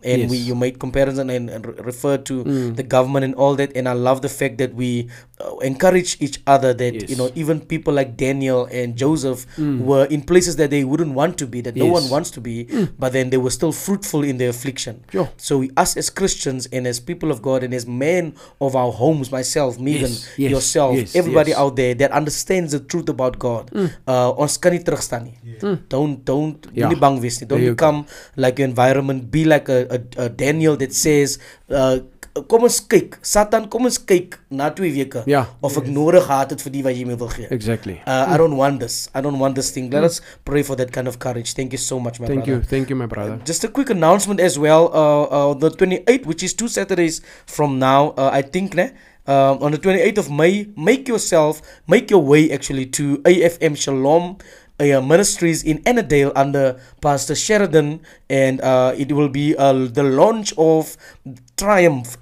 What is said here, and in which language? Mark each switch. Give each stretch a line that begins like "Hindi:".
English: And you made comparison and referred to the government and all that. And I love the fact that we encourage each other that, you know, even people like Daniel and Joseph were in places that they wouldn't want to be, that no one wants to be, but then they were still fruitful in their affliction. Sure. So us as Christians and as people of God and as men of our home, myself, Megan, yourself, everybody out there that understands the truth about God, don't become like your environment. Be like a Daniel that says,
Afrikaans: kom ons kyk, Satan, kom ons kyk na 2 weke, of ek nodig gehad het vir die wat jy my wil gee.
English: Exactly. I don't want this. I don't want this thing. Let us pray for that kind of courage. Thank you so much, my brother. Thank you, my brother. Just a quick announcement as well. The 28th, which is 2 Saturdays from now, I think, ne? On the 28th of May, make your way actually to AFM Shalom Ministries in Annandale under Pastor Sheridan, and it will be the launch of Triumph.